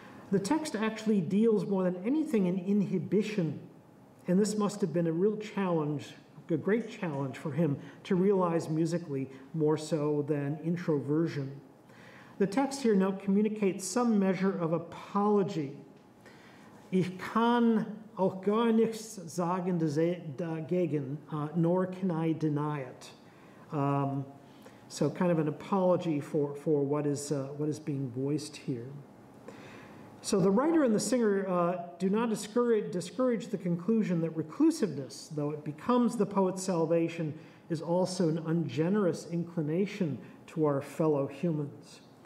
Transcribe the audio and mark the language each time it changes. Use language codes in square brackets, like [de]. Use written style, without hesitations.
[en] The text actually deals more than anything in inhibition. And this must have been a real challenge, a great challenge for him to realize musically more so than introversion. The text here now communicates some measure of apology. [de] Ich kann auch gar nichts sagen dagegen, [en] nor can I deny it. So kind of an apology for what is being voiced here. So the writer and the singer do not discourage the conclusion that reclusiveness, though it becomes the poet's salvation, is also an ungenerous inclination to our fellow humans.